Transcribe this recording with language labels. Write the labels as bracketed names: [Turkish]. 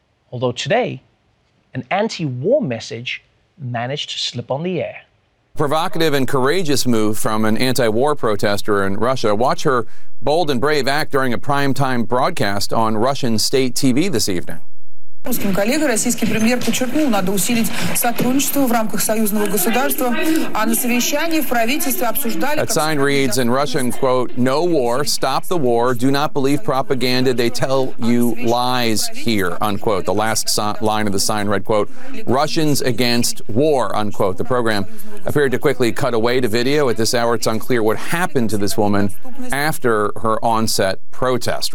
[English] Although today, an anti-war message managed to slip on the air. Provocative and courageous move from an anti-war protester in Russia. Watch her bold and brave act during a primetime broadcast on Russian state TV this evening. [Russian] Русским коллегам российский премьер подчеркнул, надо усилить сотрудничество в рамках союзного государства, а на совещании в правительстве обсуждали. [English] That sign reads in Russian, quote, "No war, stop the war, do not believe propaganda, they tell you lies here," unquote. The last line of the sign read, quote, "Russians against war," unquote. The program appeared to quickly cut away to video. At this hour, it's unclear what happened to this woman after her onset protest.